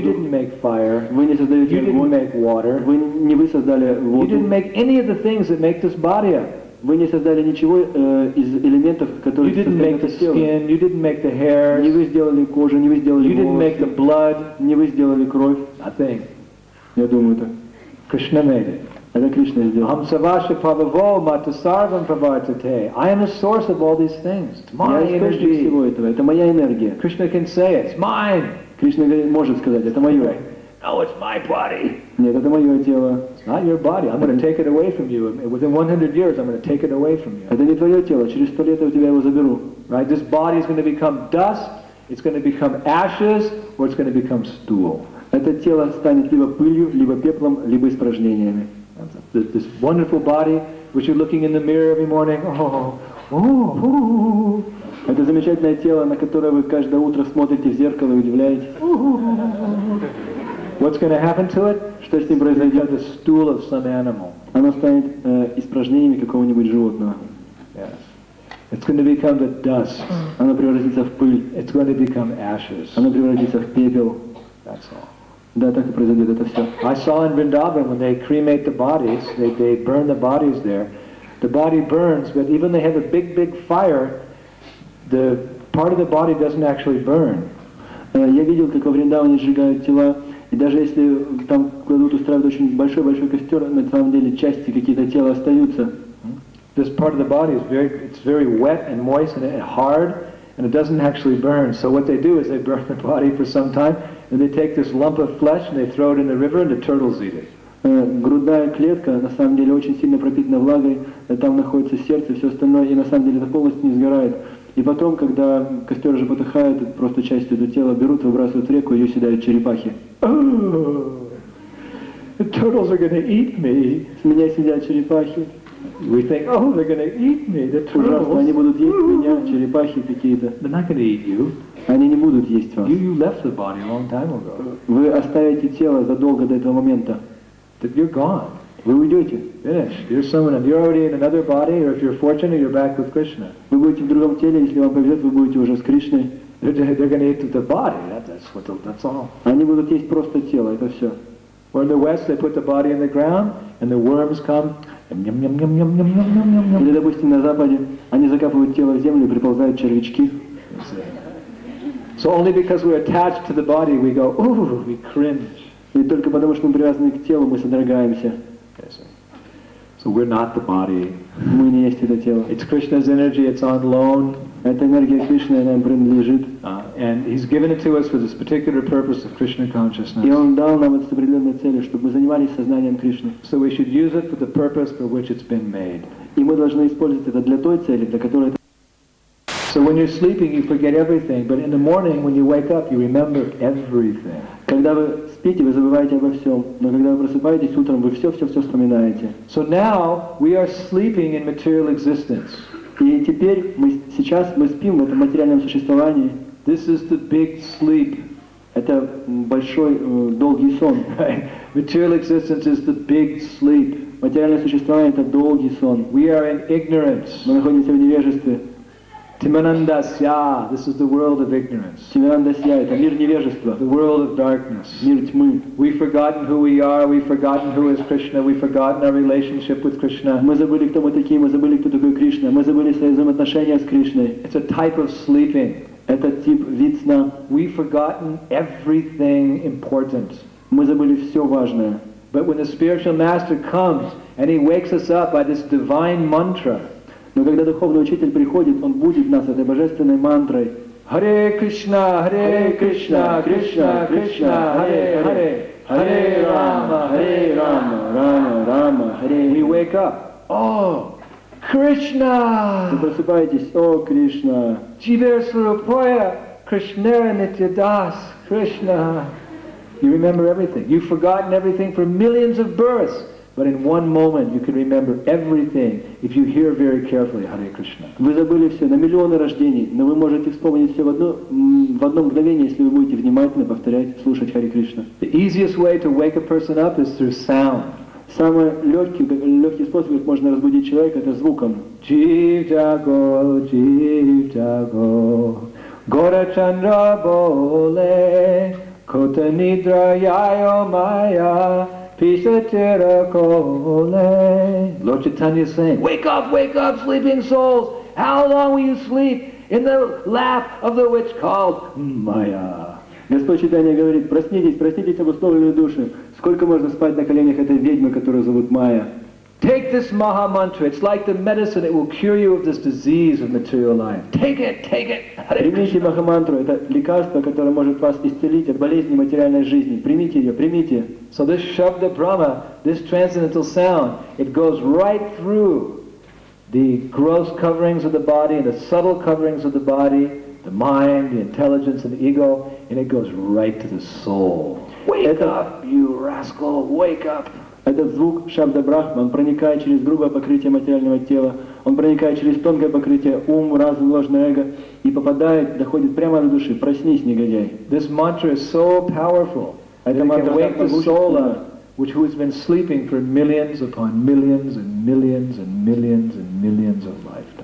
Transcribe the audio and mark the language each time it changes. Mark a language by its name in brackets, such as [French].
[English] you didn't make fire. [Russian] Вы не создаете [English] you didn't make water. [Russian] Вы не вы создали воду. [English] You didn't make any of the things that make this body up. [Russian] Вы не создали ничего из элементов, которые составляют это тело. [English] Skin, you didn't make the hair. [Russian] Не вы сделали кожу, не вы сделали волосы. [English] You didn't make the blood. [Russian] Не вы сделали кровь. [English] Nothing. [Russian] Я думаю так. [English] Krishna made it. [Russian] Это Кришна сделал. [Sanskrit] Ам саваши павово матасарвам правартите. [English] I am the source of all these things. It's my energy. [Russian] Я источник всего этого. Это моя энергия. [English] Krishna can say it. It's mine. [Russian] Кришна может сказать, это мое. [English] No, it's my body. [Russian] Нет, это мое тело. [English] It's not your body. I'm going to take it away from you. Within 100 years, I'm going to take it away from you. [Russian] Это не твое тело. Через 100 лет я у тебя его заберу. [English] Right? This body is going to become dust. It's going to become ashes, or it's going to become stool. [Russian] Это тело станет либо пылью, либо пеплом, либо испражнениями. [English] This wonderful body, which you're looking in the mirror every morning. Oh. [Russian] Это замечательное тело, на которое вы каждое утро смотрите в зеркало и удивляетесь. [English] What's going to happen to it? [Russian] Что с ним произойдет? [English] The stool of some animal. [Russian] Оно станет испражнениями какого-нибудь животного. [English] Yes. It's going to become the dust. [Russian] Оно превратится в пыль. [English] It's going to become ashes. [Russian] Оно превратится в пепел. [English] That's all. [Russian] Да, так и произойдет это все. [English] I saw in Vrindavan when they cremate the bodies, they burn the bodies there. The body burns, but even they have a big, big fire, the part of the body doesn't actually burn. [Russian] Я видел, как во Вриндаване сжигают тела, и даже если там кладут устраивают очень большой, большой костер, на самом деле части какие-то тела остаются. [English] This part of the body is very wet and moist and hard, and it doesn't actually burn. So what they do is they burn the body for some time. And they take this lump of flesh and they throw it in the river and the turtles eat it. [Russian] Грудная клетка на самом деле очень сильно пропитана влагой. Там находится сердце, все остальное и на самом деле это полностью не сгорает. И потом, когда костер уже потухает, просто часть этого тела берут, выбрасывают в реку и ее съедают черепахи. [English] Oh, the turtles are going to eat me. [Russian] С меня съедят черепахи. [English] We think, oh, they're going to eat me, the turtles. [Russian] Ужасно, они будут есть меня, черепахи какие-то. [English] They're not going to eat you. [Russian] Они не будут есть вас. [English] You left the body a long time ago. [Russian] Вы оставите тело задолго до этого момента. [English] That you're gone. [Russian] Вы уйдете. [English] Finished. You're someone. You're already in another body, or if you're fortunate, you're back with Krishna. [Russian] Вы будете в другом теле, если вам повезет, вы будете уже с Кришной. [English] They're going to eat the body. That's all. [Russian] Они будут есть просто тело. Это все. [English] Where in the West they put the body in the ground and the worms come. [Russian] Или, допустим, на Западе они закапывают тело в землю и приползают червячки. [English] So only because we're attached to the body, we go, ooh, we cringe. [Russian] И только потому, что мы привязаны к телу, мы содрогаемся. [English] So we're not the body. [Russian] Мы не есть это тело. [English] It's Krishna's energy, it's on loan. [Russian] Это энергия Кришны, она принадлежит. [English] And he's given it to us for this particular purpose of Krishna consciousness. [Russian] И он дал нам это с определенной целью, чтобы мы занимались сознанием Кришны. [English] So we should use it for the purpose for which it's been made. [Russian] И мы должны использовать это для той цели, для которой это. [English] So when you're sleeping, you forget everything, but in the morning, when you wake up, you remember everything. [Russian] Когда вы спите, вы забываете обо всем, но когда вы просыпаетесь утром, вы все вспоминаете. [English] So now we are sleeping in material existence. [Russian] И теперь сейчас мы спим в этом материальном существовании. [English] This is the big sleep. [Russian] Это большой долгий сон. [English] Material existence is the big sleep. [Russian] Материальное существование — это долгий сон. [English] We are in ignorance. [Russian] Мы находимся в невежестве. [English] Тиманандасья, this is the world of ignorance. [Russian] Тиманандасья — это мир невежества. [English] The world of darkness. [Russian] Мир тьмы. [English] We've forgotten who we are, we've forgotten who is Krishna, we've forgotten our relationship with Krishna. [Russian] Мы забыли, кто мы такие, мы забыли, кто такой Кришна, мы забыли свои взаимоотношения с Кришной. [English] It's a type of sleeping. [Russian] Это тип вид сна. [English] We've forgotten everything important. [Russian] Мы забыли все важное. [English] But when the spiritual master comes and he wakes us up by this divine mantra, [Russian] но когда духовный учитель приходит, он будет нас этой божественной мантрой. [Sanskrit] Харе Кришна, Харе Кришна, Кришна Кришна, Харе Харе, Харе Рама, Харе Рама, Рама Рама, Харе. [English] We wake up. Oh, Krishna. [Russian] Вы просыпаетесь. О, Кришна. [Bangla] Чиверсурупоя, Кришнера Нитьядас, Кришна. [English] You remember everything. You've forgotten everything for millions of births. But in one moment you can remember everything if you hear very carefully Hare Krishna. [Russian] Вы забыли все на миллионы рождений, но вы можете вспомнить все в одно мгновение, если вы будете внимательно повторять, слушать Hare Krishna. [English] The easiest way to wake a person up is through sound. [Russian] Самый легкий способ, как можно разбудить человека, это звуком. [Bangla] Jivjago, Jivjago, Gorachandra bole, Kotanidrayayo maya. [English] Lord Chaitanya is saying, wake up, sleeping souls! How long will you sleep in the lap of the witch called Maya? [Russian] Господь Читания говорит, проснитесь, проснитесь, обусловленные души. Сколько можно спать на коленях этой ведьмы, которую зовут Майя? [English] Take this Maha Mantra. It's like the medicine. It will cure you of this disease of material life. Take it, take it. [Russian] Примите Маха Мантру. Это лекарство, которое может вас исцелить от болезни материальной жизни. Примите ее, примите. [English] So this Shabda Brahma, this transcendental sound, it goes right through the gross coverings of the body and the subtle coverings of the body, the mind, the intelligence, and the ego, and it goes right to the soul. Wake up, you rascal! Wake up! [Russian] Этот звук Шабда Брахма, он проникает через грубое покрытие материального тела, он проникает через тонкое покрытие ум, разум, ложное эго, и попадает, доходит прямо до души. Проснись, негодяй. [English] This mantra is so powerful. [Russian] Это мантра так могущественна, [English] which has been sleeping for millions upon millions and millions and millions and millions of lifetimes.